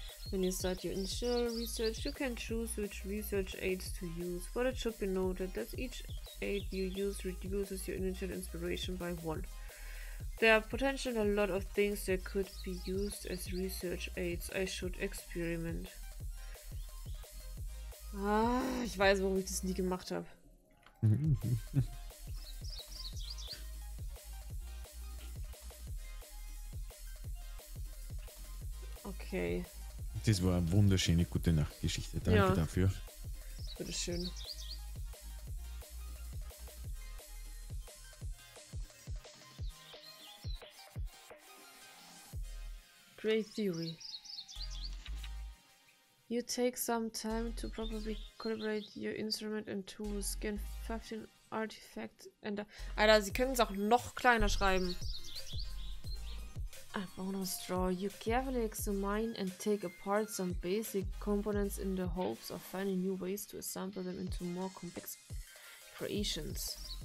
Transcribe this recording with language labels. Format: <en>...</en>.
<en>When you start your initial research, you can choose which research aids to use, but it should be noted that each aid you use reduces your initial inspiration by one. There are potentially a lot of things that could be used as research aids. I should experiment.</en> <de>Ah, ich weiß, warum ich das nie gemacht habe. Okay. Das war eine wunderschöne gute Nachtgeschichte. Danke ja. Dafür. Bitteschön.</de> <en>Great theory. You take some time to properly calibrate your instrument and tools. Scan 15 artifacts and...</en> <de>Alter, sie können es auch noch kleiner schreiben.</de> <en>A bonus draw. You carefully examine and take apart some basic components in the hopes of finding new ways to assemble them into more complex creations.</en>